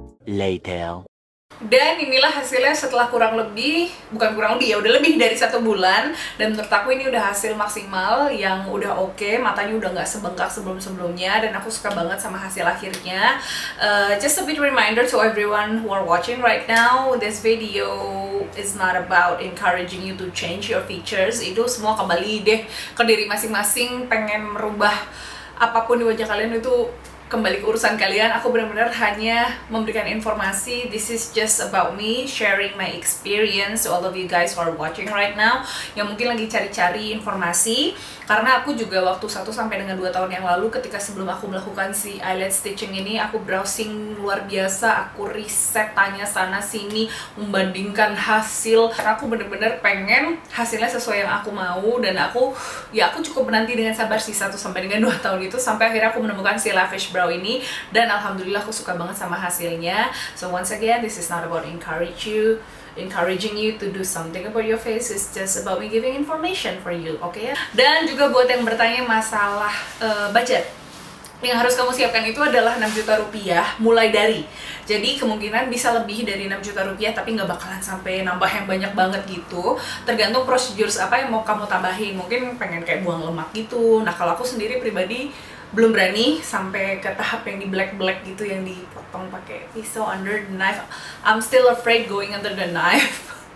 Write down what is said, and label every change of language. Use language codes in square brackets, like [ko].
[en] Later. [id] Dan inilah hasilnya setelah kurang lebih, bukan kurang lebih ya, udah lebih dari 1 bulan. Dan menurut aku ini udah hasil maksimal, yang udah oke, matanya udah gak sebengkak sebelum-sebelumnya. Dan aku suka banget sama hasil akhirnya. [en] Just a bit reminder to everyone who are watching right now, this video is not about encouraging you to change your features. [id] Itu semua kembali deh ke diri masing-masing, pengen merubah apapun di wajah kalian itu kembali ke urusan kalian. Aku benar-benar hanya memberikan informasi. [en] This is just about me sharing my experience to all of you guys who are watching right now, [id] yang mungkin lagi cari-cari informasi. Karena aku juga waktu 1 sampai dengan 2 tahun yang lalu, ketika sebelum aku melakukan si eyelid stitching ini, aku browsing luar biasa, aku riset, tanya sana sini, membandingkan hasil. Karena aku benar-benar pengen hasilnya sesuai yang aku mau. Dan aku, ya aku cukup menanti dengan sabar sih 1 sampai dengan 2 tahun itu, sampai akhirnya aku menemukan si lavish brow ini. Dan alhamdulillah aku suka banget sama hasilnya. [en] So once again, this is not about encouraging you to do something about your face. It's just about me giving information for you, okay? [id] Dan juga buat yang bertanya masalah budget, yang harus kamu siapkan itu adalah 6 juta rupiah mulai dari. Jadi kemungkinan bisa lebih dari 6 juta rupiah, tapi nggak bakalan sampai nambah yang banyak banget gitu. Tergantung prosedur apa yang mau kamu tambahin. Mungkin pengen kayak buang lemak gitu. Nah, kalau aku sendiri pribadi belum berani sampai ke tahap yang di black-black gitu, yang dipotong pakai pisau [en] under the knife. I'm still afraid going under the knife.